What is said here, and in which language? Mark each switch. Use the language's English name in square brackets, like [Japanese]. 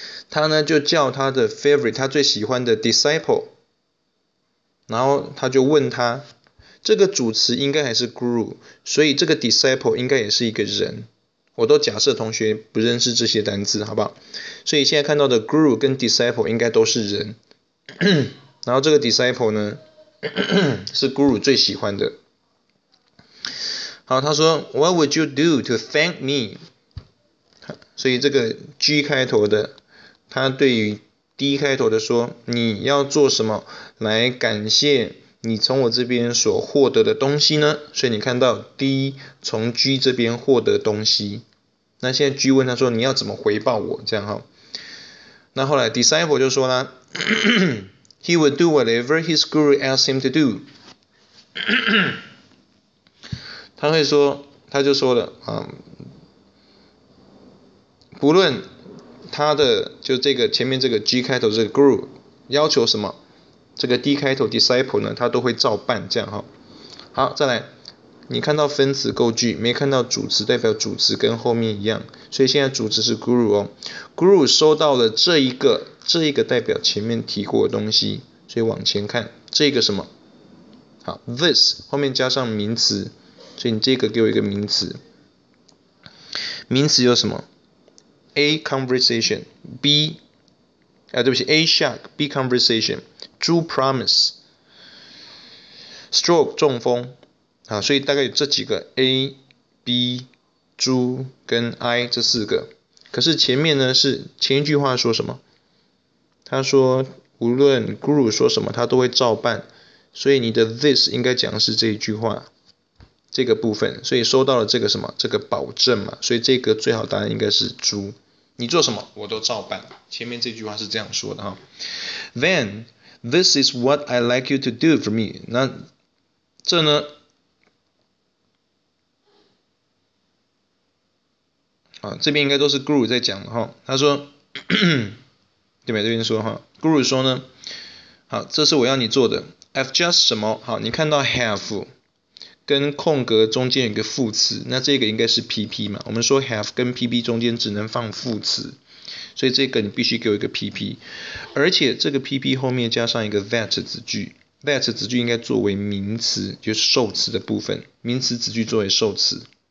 [Chinese] 他呢就叫他的 favorite， 他最喜欢的 disciple， 然后他就问他，这个主持应该还是 guru， 所以这个 disciple 应该也是一个人。我都假设同学不认识这些单字，好不好？所以现在看到的 guru 跟 disciple 应该都是人，然后这个 disciple 呢？是 guru 最喜欢的。好，他说 [English] What would you do to thank me？ [Chinese] 所以这个 G 开头的，他对于 D 开头的说，你要做什么来感谢你从我这边所获得的东西呢？所以你看到 D 从 G 这边获得东西，那现在 G 问他说，你要怎么回报我？这样哈。那后来 disciple 就说啦。 [English] He would do whatever his guru asked him to do. [Chinese] 他会说，他就说了，不论他的，就这个前面这个 G 开头这个 guru 要求什么，这个 D 开头 disciple 呢，他都会照办，这样哈。好，再来，你看到分词构句，没看到主词，代表主词跟后面一样，所以现在主词是 guru 哦。 guru 收到了这一个。这一个代表前面提过的东西，所以往前看，这个什么？好 ，this 后面加上名词，所以你这个给我一个名词。名词有什么 ？A conversation， B， 对不起 ，A shock， B conversation， Drew promise， stroke 中风，啊，所以大概有这几个 A、B、Drew 跟 I 这四个。可是前面呢是前一句话说什么？他说无论 guru 说什么他都会照办，所以你的 this 应该讲是这一句话这个部分，所以收到了这个什么这个保证嘛，所以这个最好答案应该是猪，你做什么我都照办，前面这句话是这样说的哈。 [English] Then this is what I like you to do for me， [Chinese] 那这呢这边应该都是 guru 在讲的哈。他说对吧，这边说哈 ，Guru 说呢，好，这是我要你做的。 [English] I've just [Chinese] 什么？好，你看到 have 跟空格中间有一个副词，那这个应该是 PP 嘛？我们说 have 跟 PP 中间只能放副词，所以这个你必须给我一个 PP， 而且这个 PP 后面加上一个 that 子句 ，that 子句应该作为名词，就是受词的部分，名词子句作为受词。